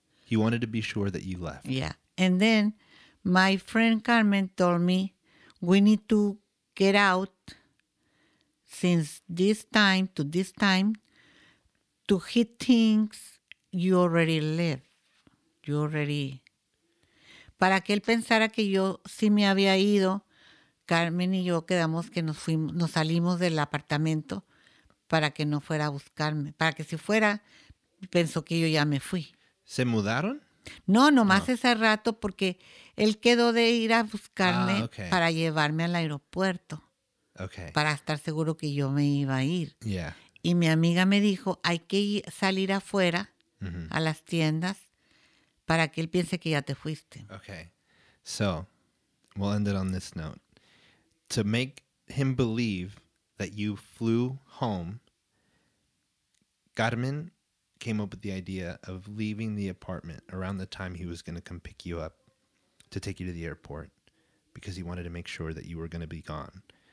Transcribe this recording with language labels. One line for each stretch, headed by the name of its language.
English: He wanted to be sure that you left. Yeah. And then my friend Carmen told me we need to get out since this time to hit things. You already live. You already.
Spanish: Para que él pensara que yo sí me había ido, Carmen y yo quedamos que nos salimos del apartamento para que no fuera a buscarme. Para que si fuera, pensó que yo ya me fui. ¿Se mudaron? No, nomás ese rato porque él quedó de ir a buscarme para llevarme al aeropuerto.
English: Okay.
Spanish: Para estar seguro que yo me iba a ir.
English: Yeah.
Spanish: Y mi amiga me dijo, hay que salir afuera. Mm-hmm. A las tiendas para que él piense que ya te fuiste.
English: Okay, so we'll end it on this note. To make him believe that you flew home, Carmen came up with the idea of leaving the apartment around the time he was going to come pick you up to take you to the airport because he wanted to make sure that you were going to be gone.